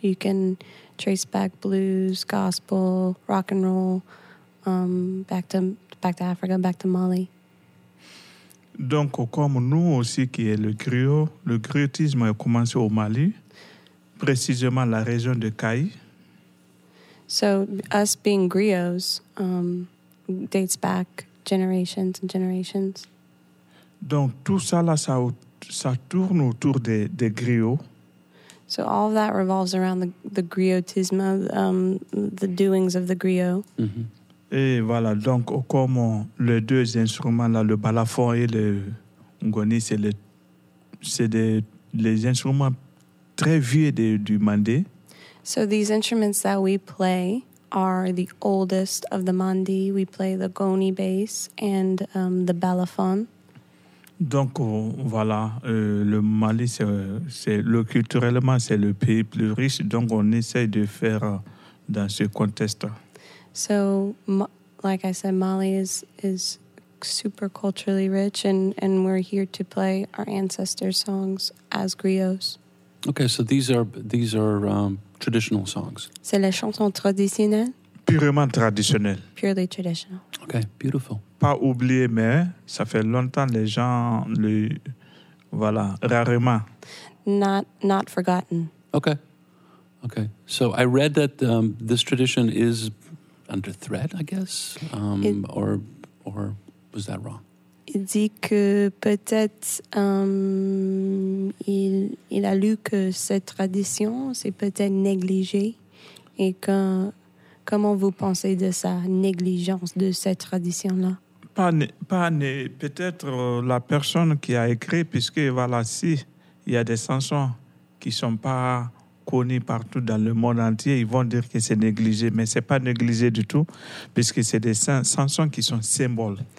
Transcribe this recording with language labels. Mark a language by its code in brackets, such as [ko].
[en] You can trace back blues, gospel, rock and roll back to Africa, back to Mali. [fr] Donc comme nous aussi qui est le griotisme a commencé au Mali, précisément la région de Kayes. [en] So us being griots dates back generations and generations. [fr] Donc tout ça là, ça tourne autour des griots. [en] So all of that revolves around the griotisme, the doings of the griot. Mm-hmm. [fr] Et voilà, donc comme les deux instruments là, le balafon et le ngoni, c'est des instruments très vieux du mandé. [en] So these instruments that we play are the oldest of the mandi. We play the goni bass and the balafon. [fr] Donc voilà, le Mali, culturellement, c'est le pays plus riche. Donc on essaye de faire dans ce contexte. [en] So, like I said, Mali is super culturally rich, and we're here to play our ancestors' songs as griots. Okay, so these are traditional songs. [fr] C'est les chansons traditionnelles. Purement traditionnelles. [en] Purely traditional. Okay, beautiful. [fr] Pas oublié, mais ça fait longtemps les gens le voilà rarement. [en] Not forgotten. Okay. So I read that this tradition is under threat, I guess, or was that wrong? [fr] Il dit que peut-être il a lu que cette tradition c'est peut-être négligée et que comment vous pensez de sa négligence de cette tradition là? Peut-être la personne qui a écrit, puisque voilà, si il y a des chansons qui ne sont pas connues partout dans le monde entier, ils vont dire que c'est négligé, mais ce n'est pas négligé du tout, puisque c'est des chansons qui sont symboles.